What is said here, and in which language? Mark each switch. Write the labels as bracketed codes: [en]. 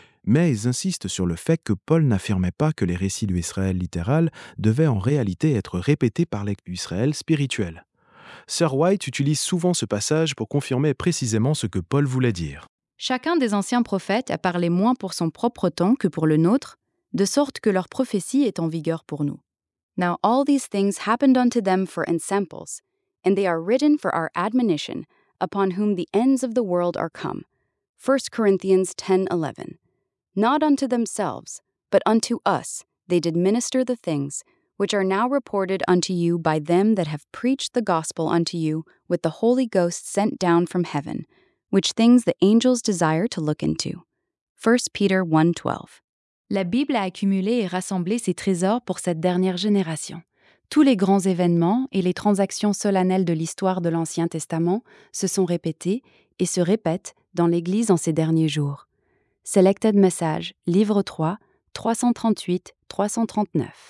[fr] Mais ils insistent sur le fait que Paul n'affirmait pas que les récits de l'Israël littéral devaient en réalité être répétés par l'Israël spirituel. Sir White utilise souvent ce passage pour confirmer précisément ce que Paul voulait dire. Chacun des anciens prophètes a parlé moins pour son propre temps que pour le nôtre, de sorte que leur prophétie est en vigueur pour nous. [en] Now all these things happened unto them for ensamples, and they are written for our admonition, upon whom the ends of the world are come. 1 Corinthians 10:11. Not unto themselves, but unto us, they did minister the things, which are now reported unto you by them that have preached the gospel unto you with the Holy Ghost sent down from heaven, which things the angels desire to look into. 1 Peter 1:12. [fr] La Bible a accumulé et rassemblé ses trésors pour cette dernière génération. Tous les grands événements et les transactions solennelles de l'histoire de l'Ancien Testament se sont répétés et se répètent dans l'Église en ces derniers jours. Selected Message, Livre 3, 338-339.